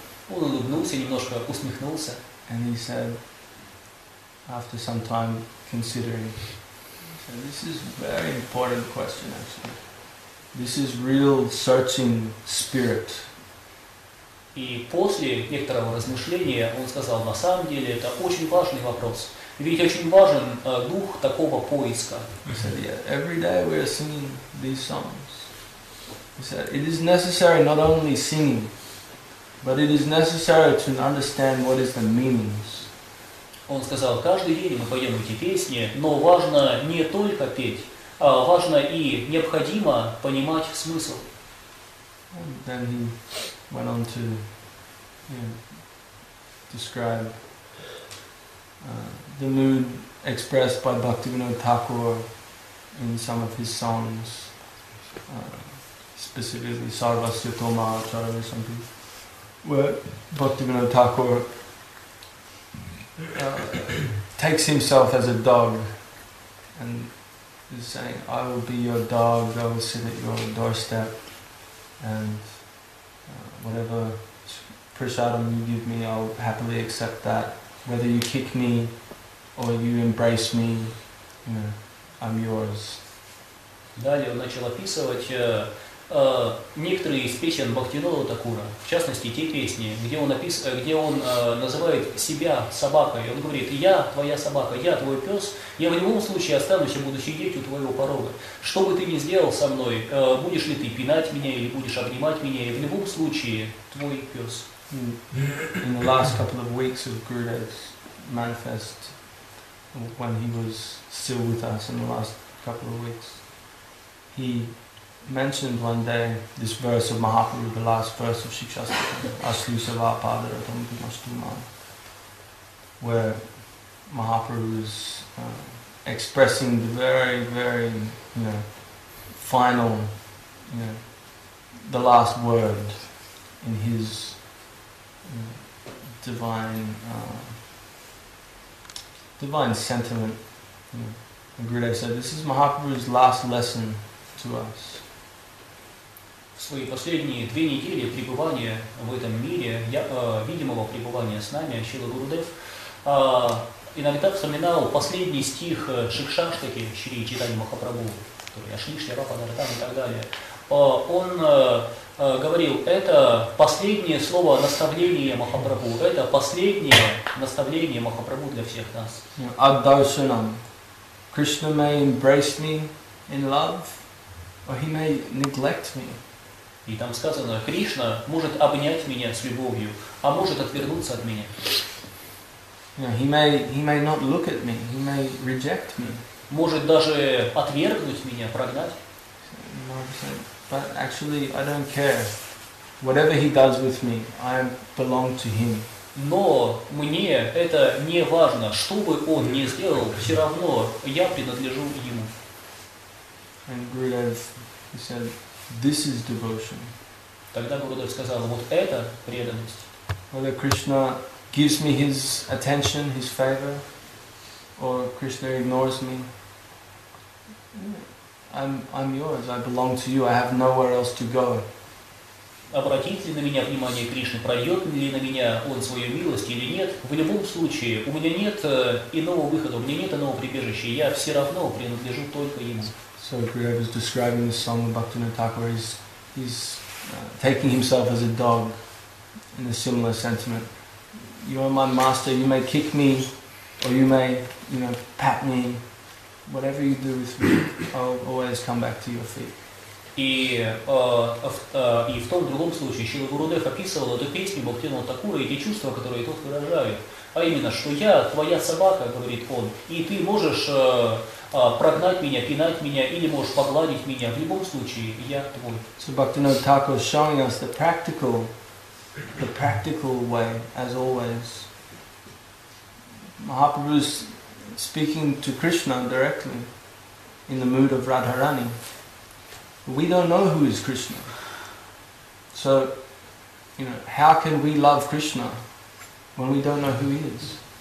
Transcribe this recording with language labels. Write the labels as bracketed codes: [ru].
[ru] Он улыбнулся, немножко усмехнулся. [en] And he said, after some time considering, said, this is a very important question, actually. This is real searching spirit. [ru] И после некоторого размышления он сказал, на самом деле это очень важный вопрос. Ведь очень важен дух такого поиска. [en] He said, yeah, every day we are singing these songs. He said, it is necessary not only singing, but it is necessary to understand what is the meanings. [ru] Он сказал, каждый день мы поем эти песни, но важно не только петь, а важно и необходимо понимать смысл. [en] And then he went on to, you know, describe the mood expressed by Bhaktivinoda Thakur in some of his songs, specifically Sarvasya Toma Acharya or something, where Bhaktivinoda Thakur takes himself as a dog and is saying, I will be your dog, I will sit at your doorstep, and whatever prasadam you give me, I'll happily accept that. Whether you kick me or you embrace me, you know, I'm yours. [ru] Далее он начал описывать некоторые из песен Бхактивинода Такура, в частности, те песни, где он называет себя собакой. Он говорит, я твоя собака, я твой пес, я в любом случае останусь и буду сидеть у твоего порога. Что бы ты ни сделал со мной, будешь ли ты пинать меня или будешь обнимать меня, и в любом случае твой пес. [en] In the last couple of weeks of Gurudev's manifest, when he was still with us in the last couple of weeks, he mentioned one day this verse of Mahaprabhu, the last verse of Shikshastra, [sa] Aslu Sava Padara Tamutimashtuma, [en] where Mahaprabhu is expressing the very, very, you know, final, you know, the last word in his divine sentiment. And Gurudev said, this is Mahaprabhu's last lesson to us. [ru] В свои последние две недели пребывания в этом мире, видимого пребывания с нами, Шрила Гурудев иногда вспоминал последний стих Шикшаштаки, Шри Читани Махапрабху, который [sa] Ашли, Шляпа, Панартан [ru] и так далее. Он говорил, это последнее слово наставления Махапрабху, это последнее наставление Махапрабху для всех нас. [sa] Ад-даршанам. [en] Krishna may embrace me in love, or he may neglect me. [ru] И там сказано, Кришна может обнять меня с любовью, а может отвернуться от меня. [en] You know, he may not look at me, he may reject me. [ru] Может даже отвергнуть меня, прогнать. [en] But actually, I don't care. Whatever he does with me, I belong to him. [ru] Но мне это не важно. Что бы он ни сделал, все равно я принадлежу ему. [en] And Gurudev, he said, this is devotion. [ru] Тогда Гурудев сказал, вот это преданность. [en] Whether Krishna gives me his attention, his favor, or Krishna ignores me, I'm yours, I belong to you, I have nowhere else to go. [ru] Обратит ли на меня внимание Кришна, прольет ли на меня он свою милость или нет, в любом случае у меня нет иного выхода, у меня нет иного прибежища, я все равно принадлежу только ему. [en] So Gurudev is describing this song of Bhaktivinoda Thakur, he's taking himself as a dog in a similar sentiment. You are my master, you may kick me, or you may, you know, pat me. Whatever you do with me, I'll always come back to your feet. [ru] И в том другом случае Шрила Гурудев описывал эту песню Бхактивинода Такура и те чувства, которые тот выражает. А именно, что я твоя собака, говорит он, и ты можешь прогнать меня, пинать меня, или можешь погладить меня. В любом случае, я твой. [en] So Bhaktivinoda Thakur is showing us the practical way, as always. Mahaprabhu is speaking to Krishna directly in the mood of Radharani. We don't know who is Krishna. So, you know, how can we love Krishna when we don't know who he is?